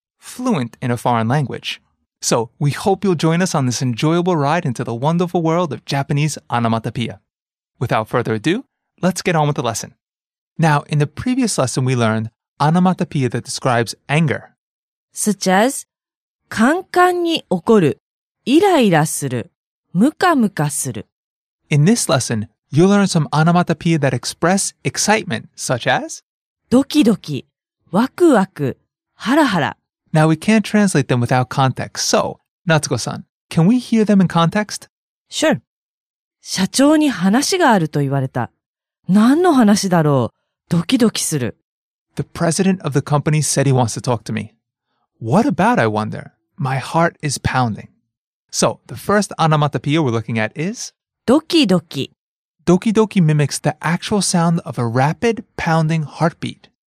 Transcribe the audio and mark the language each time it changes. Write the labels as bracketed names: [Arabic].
[English] fluent in a foreign language. So we hope you'll join us on this enjoyable ride into the wonderful world of Japanese onomatopoeia. Without further ado, let's get on with the lesson. Now, in the previous lesson, we learned onomatopoeia that describes anger, such as. [Japanese] カンカンに起こる、イライラする、ムカムカする。 [English] In this lesson, you'll learn some onomatopoeia that express excitement, such as [Japanese] ドキドキ、ワクワク、ハラハラ。 [English] Now we can't translate them without context, so, Natsuko-san, can we hear them in context? Sure. [Japanese] 社長に話があると言われた。何の話だろう、ドキドキする。 [English] The president of the company said he wants to talk to me. What about, I wonder? My heart is pounding. So, the first onomatopoeia we're looking at is... [Japanese] Doki doki. [English] Doki doki mimics the actual sound of a rapid, pounding heartbeat.